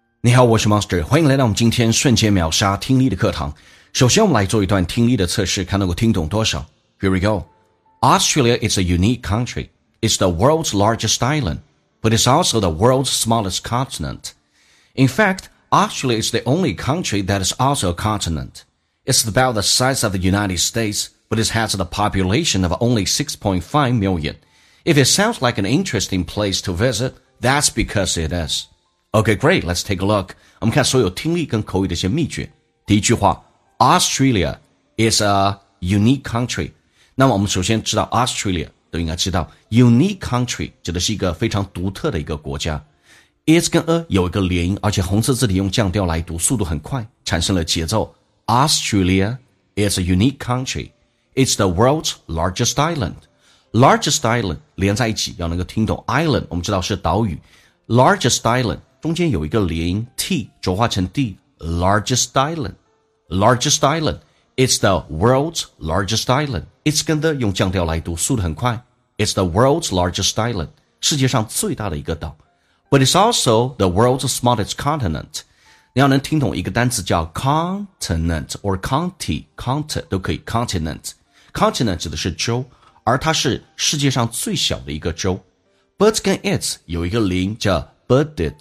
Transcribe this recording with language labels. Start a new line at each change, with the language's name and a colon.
Chinese: 你好，我是 Monster， 欢迎来到我们今天瞬间秒杀听力的课堂。首先我们来做一段听力的测试，看能够听懂多少。
English: Here we go. Australia is a unique country. It's the world's largest island, but it's also the world's smallest continent. In fact, Australia is the only country that is also a continent. It's about the size of the United States, but it has a population of only 6.5 million. If it sounds like an interesting place to visit, that's because it is. Okay, great, let's take a look.
Chinese: 我们看所有听力跟口语的一些秘诀。第一句话，
English: Australia is a unique country.
Chinese: 那么我们首先知道 Australia, 都应该知道
English: unique country
Chinese: 指的是一个非常独特的一个国家。 Is 跟 a 有一个连音，而且红色字体用降调来读，速度很快，产生了节奏。
English: Australia is a unique country. It's the world's largest island. Largest island
Chinese: 连在一起要能够听懂 island, 我们知道是岛屿。
English: Largest island,
Chinese: 中间有一个连音
English: T,
Chinese: 浊化成
English: D, largest island, largest island, it's the world's largest island, it's 跟 the
Chinese: 用降调来读，速度很快，
English: it's the world's largest island,
Chinese: 世界上最大的一个岛，
English: but it's also the world's smallest continent,
Chinese: 你要能听懂一个单词叫 continent, or county, count 都可以， continent, continent 指的是州，而它是世界上最小的一个州， but 跟 it 有一个连音叫But